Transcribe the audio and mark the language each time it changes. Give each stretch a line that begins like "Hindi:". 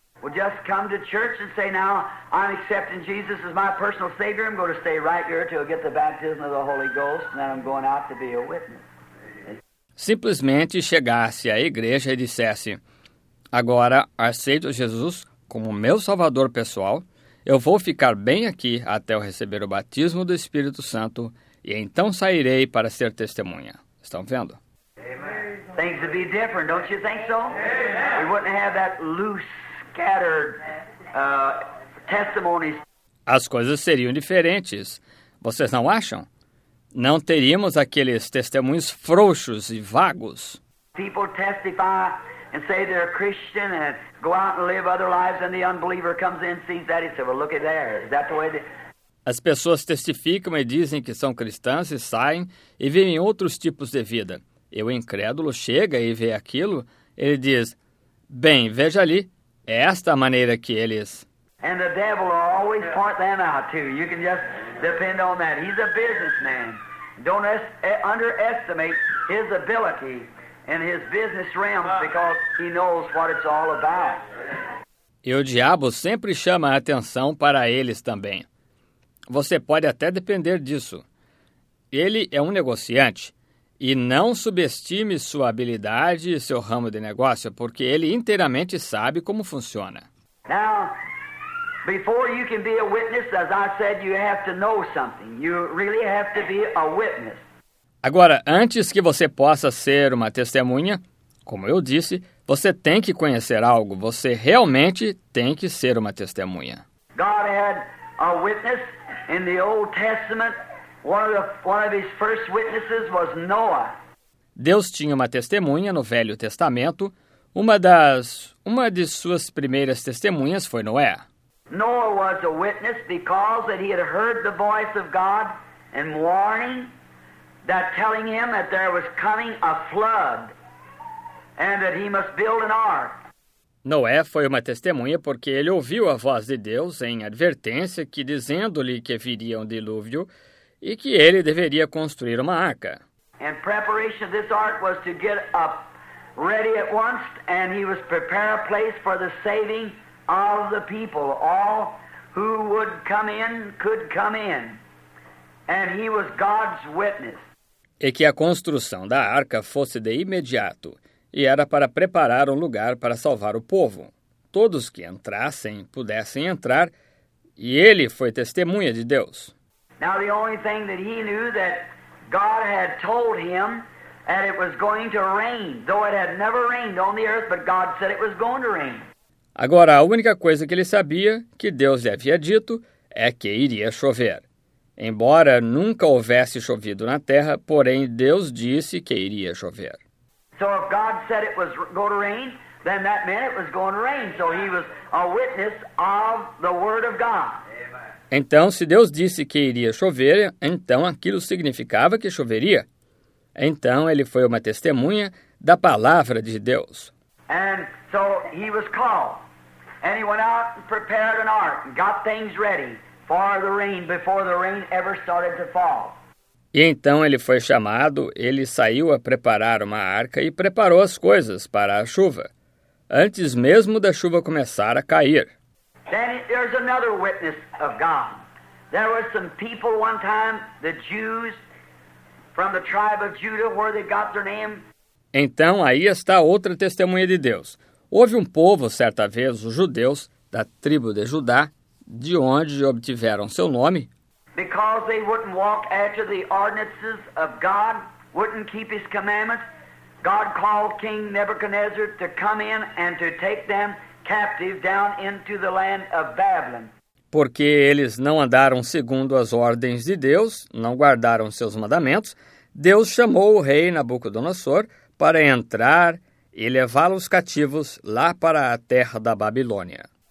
English: Well, just come to church and say, now, I'm accepting Jesus as my personal Savior. I'm going to stay right here till I get the baptism of the Holy Ghost, and then I'm going out to be a witness.
Portuguese: Simplesmente chegasse à igreja e dissesse, agora aceito Jesus como meu Salvador pessoal, eu vou ficar bem aqui até eu receber o batismo do Espírito Santo e então sairei para ser testemunha. Estão vendo?
English: Amen. Things would be different, don't you think so? Amen. We wouldn't have that loose, scattered testimonies.
Portuguese: As coisas seriam diferentes. Vocês não acham? Não teríamos aqueles testemunhos frouxos e vagos.
English: People testify and say they're Christian and go out and live other lives, and the unbeliever comes in, sees that, he says, well, look at there. Is that the way they...
Portuguese: As pessoas testificam e dizem que são cristãs e saem e vivem outros tipos de vida. E o incrédulo chega e vê aquilo, ele diz, bem, veja ali, é esta a maneira que eles...
English: And the devil will always point them out too. You can just depend on that. He's a businessman. Don't underestimate his ability and his business realm because he knows what it's all about.
Portuguese: E o diabo sempre chama a atenção para eles também. Você pode até depender disso. Ele é um negociante. E não subestime sua habilidade e seu ramo de negócio, porque ele inteiramente sabe como funciona.
English: Now, before you can be a witness, as I said, you have to know something. You really have to be a witness.
Portuguese: Agora, antes que você possa ser uma testemunha, como eu disse, você tem que conhecer algo. Você realmente tem que ser uma testemunha.
English: God had a witness in the Old Testament. One of his first witnesses was Noah.
Portuguese: Deus tinha uma testemunha no Velho Testamento. Uma de suas primeiras testemunhas foi Noé.
English: Noah was a witness because that he had heard the voice of God and warning, that telling him that there was coming a flood and that he must build an ark.
Portuguese: Noé foi uma testemunha porque ele ouviu a voz de Deus em advertência que dizendo-lhe que viria um dilúvio e que ele deveria construir uma arca.
English: And preparation of this ark was to get up ready at once, and he was prepare a place for the saving of the people. All who would come in could come in. And he was God's witness.
Portuguese: E que a construção da arca fosse de imediato, e era para preparar um lugar para salvar o povo. Todos que entrassem pudessem entrar, e ele foi testemunha de Deus.
English: Now the only thing that he knew that God had told him that it was going to rain, though it had never rained on the earth, but God said it was going to rain.
Portuguese: Agora, a única coisa que ele sabia que Deus lhe havia dito é que iria chover. Embora nunca houvesse chovido na terra, porém Deus disse que iria chover.
English: So if God said it was going to rain, then that meant it was going to rain. So he was a witness of the word of God.
Portuguese: Então, se Deus disse que iria chover, então aquilo significava que choveria. Então, ele foi uma testemunha da palavra de Deus.
English: And so he was called. And he went out and prepared an ark and got things ready for the rain before the rain ever started to fall.
Portuguese: E então ele foi chamado, ele saiu a preparar uma arca e preparou as coisas para a chuva, antes mesmo da chuva começar a cair.
English: Then there's another witness of God. There were some people one time, the Jews from the tribe of Judah, where they got their name.
Portuguese: Então aí está outra testemunha de Deus. Houve um povo certa vez, os judeus da tribo de Judá, de onde obtiveram seu nome.
English: Because they wouldn't walk after the ordinances of God, wouldn't keep his commandments, God called King Nebuchadnezzar to come in and to take them captive down into the land of Babylon.
Portuguese: Porque eles não andaram segundo as ordens de Deus, não guardaram seus mandamentos, Deus chamou o rei Nabucodonosor para entrar e levá-los cativos lá para a terra da Babilônia.